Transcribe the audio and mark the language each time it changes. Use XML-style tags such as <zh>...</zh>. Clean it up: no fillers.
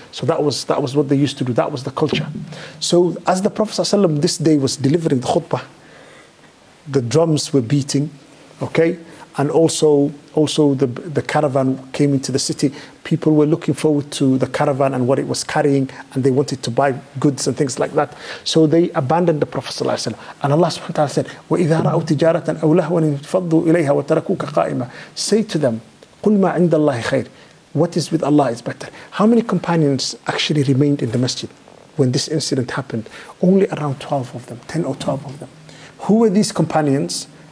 <en>So that was what they used to do. That was the culture. So as the Prophet ﷺ this day was delivering the khutbah, the drums were beating. Okay, and also the caravan came into the city. People were looking forward to the caravan and what it was carrying, and they wanted to buy goods and things like that. So they abandoned the Prophet sallallahu alaihi wasallam. And Allah subhanahu wa ta'ala said,</en> <ar>وَإِذَا رَأَوْ تِجَارَةً أَوْ لَهْوًا انْفَضُّوا إِلَيْهَا وَتَرَكُوكَ قَائِمًا.</ar> <en>Say to them,</en> <ar>قُلْ مَا عِنْدَ اللَّهِ خَيْرٌ.</ar> <en>What is with Allah is better. How many companions actually remained in the masjid when this incident happened? Only around 12 of them, 10 or 12 of them. Who were these companions?</en>